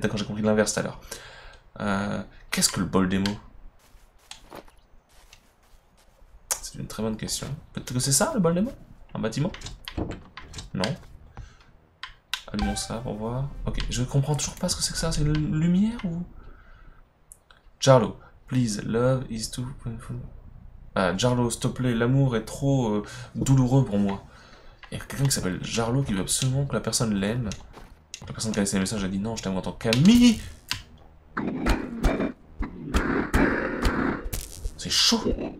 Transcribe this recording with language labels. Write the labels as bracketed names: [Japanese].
[French] D'accord, j'ai compris l'inverse tout à l'heure. Qu'est-ce que le bol démo? C'est une très bonne question. Peut-être que c'est ça le bol démo? Un bâtiment? Non. Allumons ça pour voir. Ok, je comprends toujours pas ce que c'est que ça. C'est une lumière ou. [English] Jarlo, please, love is too. [French] Jarlo, s'il te plaît, l'amour est trop douloureux pour moi. Il y a quelqu'un qui s'appelle Jarlo qui veut absolument que la personne l'aime. La personne qui a laissé le message a dit non, je t'aime en tant qu'amie. C'est chaud.